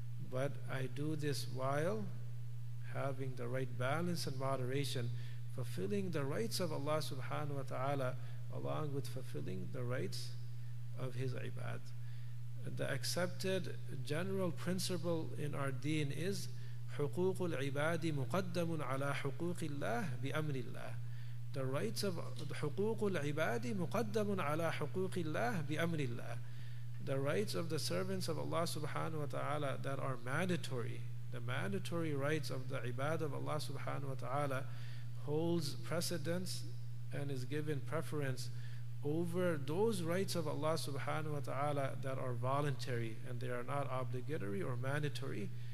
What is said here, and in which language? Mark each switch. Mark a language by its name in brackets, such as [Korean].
[English] But I do this while having the right balance and moderation, fulfilling the rights of Allah subhanahu wa ta'ala along with fulfilling the rights of His ibad. The accepted general principle in our deen is [Arabic] حُقُوقُ الْعِبَادِ مُقَدَّمٌ عَلَىٰ حُقُوقِ اللَّهِ بِأَمْرِ اللَّهِ. [English] The rights of [Arabic] حُقُوقُ الْعِبَادِ مُقَدَّمٌ عَلَىٰ حُقُوقِ اللَّهِ بِأَمْرِ اللَّهِ. [English] The rights of the servants of Allah subhanahu wa ta'ala that are mandatory, the mandatory rights of the ibad of Allah subhanahu wa ta'ala holds precedence and is given preference over those rights of Allah subhanahu wa ta'ala that are voluntary and they are not obligatory or mandatory.